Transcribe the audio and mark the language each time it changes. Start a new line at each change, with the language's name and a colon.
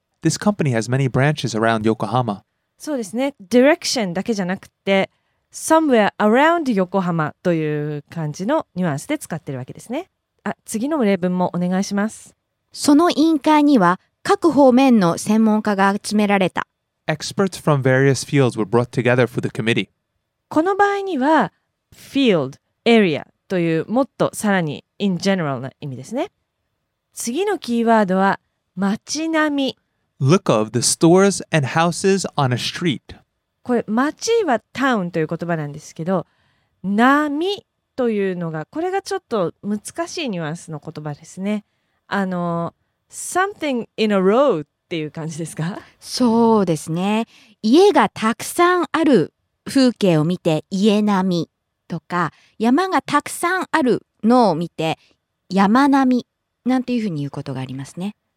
English: This company has many branches around Yokohama.
Japanese: そうですね。Direction だけじゃなくて、
English: somewhere around Yokohama
Japanese: という感じのニュアンスで使ってるわけですね。あ、次の例文もお願いします。その委員会には各方面の専門家が集められた。
English: Experts from various fields were brought together for the committee.
Japanese: この場合には、field, area というもっとさらに
English: in general
Japanese: な意味ですね。次のキーワードは、街並み。
English: Look of the stores and houses on a street.
Japanese: これ、街は town という言葉なんですけど、波というのが、これがちょっと難しいニュアンスの言葉ですね。
English: something in a row
Japanese: っていう感じですか？そうですね。家がたくさんある風景を見て、家波とか、山がたくさんあるのを見て、山波なんていうふうに言うことがありますね。